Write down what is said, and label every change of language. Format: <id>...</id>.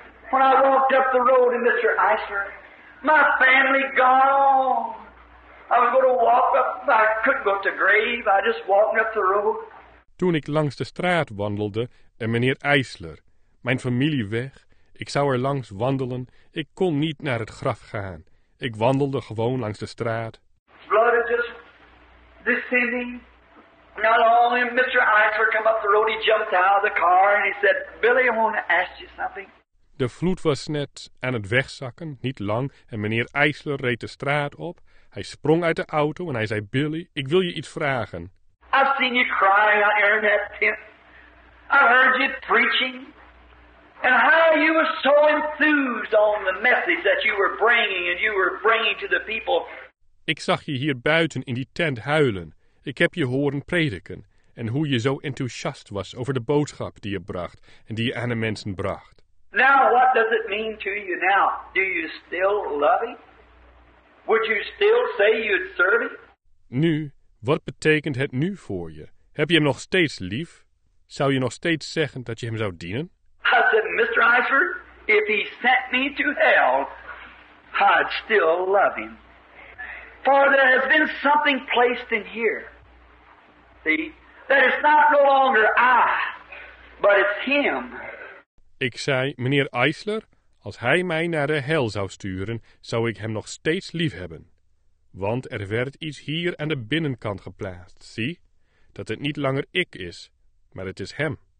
<en>When I walked up the road in Mr. Eisler, my family gone. I was going to walk up, I couldn't go to the grave. I just walked up the road.</en> <nl>Toen ik langs de straat wandelde en meneer Eisler, mijn familie weg, ik zou er langs wandelen, ik kon niet naar het graf gaan. Ik wandelde gewoon langs de straat.</nl> <en>Blood is just descending. Not only Mr. Eisler come up the road, he jumped out of the car and he said, Billy, I want to ask you something.</en> <nl>De vloed was net aan het wegzakken, niet lang, en meneer Eisler reed de straat op. Hij sprong uit de auto en hij zei, Billy, ik wil je iets vragen.</nl> <en>I've seen you crying out there in that tent. I heard you preaching. And how you were so enthused on the message that you were bringing and you were bringing to the people.</en> <nl>Ik zag je hier buiten in die tent huilen. Ik heb je horen prediken. En hoe je zo enthousiast was over de boodschap die je bracht en die je aan de mensen bracht.</nl> <en>Now what does it mean to you now? Do you still love him? Would you still say you'd serve him?</en> <nl>Nu, wat betekent het nu voor je? Heb je hem nog steeds lief? Zou je nog steeds zeggen dat je hem zou dienen?</nl> <en>I said, Mr. Eisler, if he sent me to hell, I'd still love him. For there has been something placed in here. See, that it's not no longer I, but it's him.</en> <nl>Ik zei, meneer Eisler, als hij mij naar de hel zou sturen, zou ik hem nog steeds lief hebben. Want er werd iets hier aan de binnenkant geplaatst, zie, dat het niet langer ik is, maar het is hem.</nl>